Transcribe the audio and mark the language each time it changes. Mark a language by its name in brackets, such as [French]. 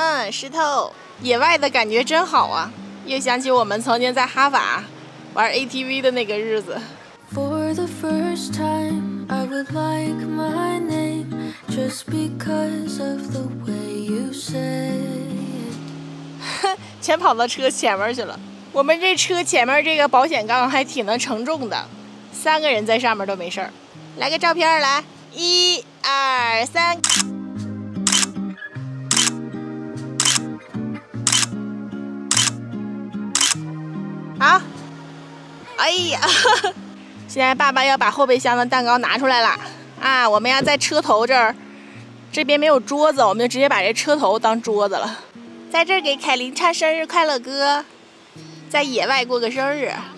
[Chinese] 石头，野外的感觉真好啊，又想起我们曾经在哈瓦玩 ATV 的那个日子。 [English] For the first time I would like my name just because of the way you say it。 [Chinese] 全跑到车前面去了，我们这车前面这个保险杠还挺能承重的，三个人在上面都没事。来个照片，来，一二三，啊，哎呀，现在爸爸要把后备箱的蛋糕拿出来了啊，我们要在车头这儿，这边没有桌子，我们就直接把这车头当桌子了，在这儿给凯琳唱生日快乐歌，在野外过个生日。